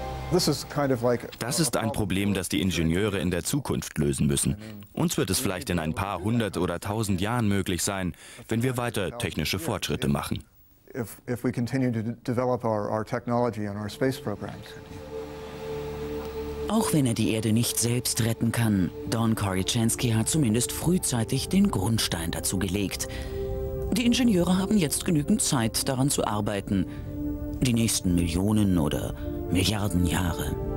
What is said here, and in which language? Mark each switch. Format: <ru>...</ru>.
<de>Das ist ein Problem, das die Ingenieure in der Zukunft lösen müssen. Uns wird es vielleicht in ein paar hundert oder tausend Jahren möglich sein, wenn wir weiter technische Fortschritte machen.</de> <en>if we continue to develop our technology and our space programs.</en> <de>Auch wenn die Erde nicht selbst retten kann, Don Korychansky hat zumindest frühzeitig den Grundstein dazu gelegt. Die Ingenieure haben jetzt genügend Zeit, daran zu arbeiten. Die nächsten Millionen oder Milliarden Jahre.</de>